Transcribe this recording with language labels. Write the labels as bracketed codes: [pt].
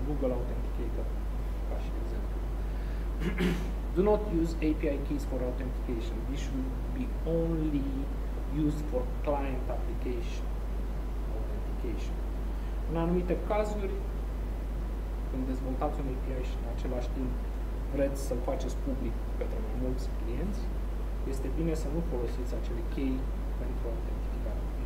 [ro] Google Authenticator, ca și exemplu. [en] Do not use API keys for authentication. This should be only used for client application authentication. [ro] În anumite cazuri, când dezvoltați un API și în același timp vreți să-l faceți public pentru mai mulți clienți, este bine să nu folosiți acele key pentru autentificare.